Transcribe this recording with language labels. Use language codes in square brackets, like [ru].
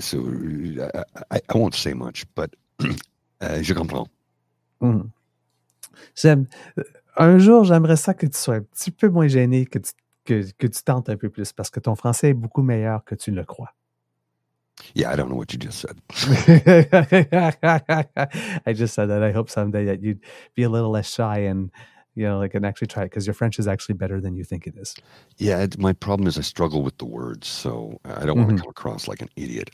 [en] So I won't say much, but [fr] je comprends. Un jour, j'aimerais ça que tu sois un petit peu moins gêné, que tu tentes un peu plus, parce que ton français est beaucoup meilleur que tu ne le crois. [en] Yeah, I don't know what you just said. I just said that I hope someday that you'd be a little less shy and, you know, like, and actually try it, because your French is actually better than you think it is. Yeah, my problem is I struggle with the words, so I don't want to come across like an idiot.